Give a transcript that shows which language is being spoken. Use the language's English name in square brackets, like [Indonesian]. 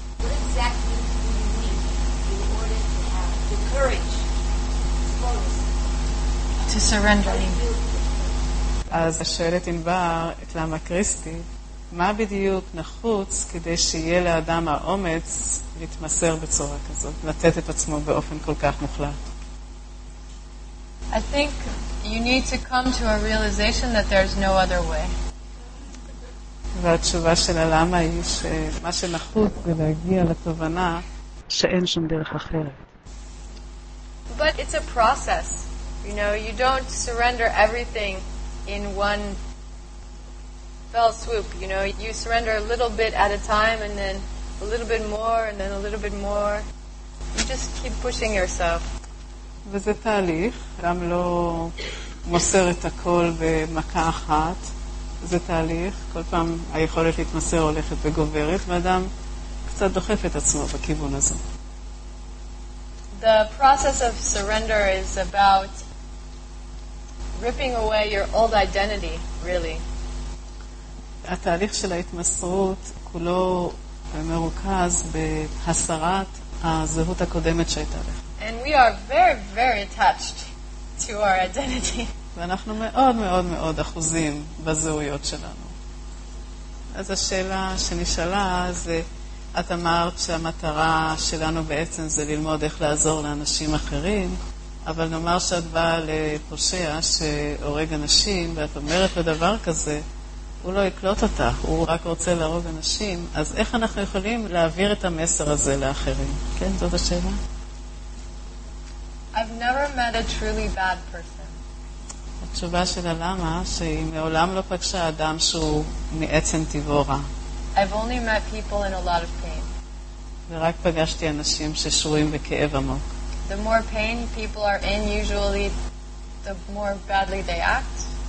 [English] What exactly do you need in order to have the courage to surrender? [Hebrew] אז שואלת ענבר את למה קריסטי, מה בדיוק נחוץ כדי שיהיה לאדם האומץ להתמסר בצורה כזאת, לתת את עצמו באופן כל כך מוחלט? [English] I think you need to come to a realization that there's no other way. [Hebrew] והתשובה של הלמה היא שמה שנחוץ זה להגיע לתובנה שאין שום דרך אחרת. [English] But it's a process. You know, you don't surrender everything in one fell swoop. You know, you surrender a little bit at a time and then a little bit more and then a little bit more. You just keep pushing yourself. [Hebrew] וזה תהליך. גם לא מוסר את הכל במכה אחת. זה תהליך. כל פעם היכולת להתמסר הולכת וגוברת, ואדם קצת דוחף את עצמו בכיוון הזה. [English] the process of surrender is about ripping away your old identity, really. [Hebrew] התהליך של ההתמסרות כולו מרוכז בהסרת הזהות הקודמת שהייתה לך. [English] And we are very, very attached to our identity. [Hebrew] ואנחנו מאוד מאוד מאוד אחוזים בזהויות שלנו. אז השאלה שנשאלה זה, את אמרת שהמטרה שלנו בעצם זה ללמוד איך לעזור לאנשים אחרים, אבל נאמר שאת באה לפושע שהורג אנשים, ואת אומרת בדבר כזה, הוא לא יקלוט אותך, הוא רק רוצה להרוג אנשים, אז איך אנחנו יכולים להעביר את המסר הזה לאחרים? כן, זאת השאלה? [English] I've never met a truly bad person. [Hebrew] התשובה של הלמה, שהיא מעולם לא פגשה אדם שהוא מעצם טבעו רע. [English] I've only met people in a lot of pain. [Hebrew] ורק פגשתי אנשים ששורים בכאב עמוק. [English] The more pain people are in, usually, the more badly they act.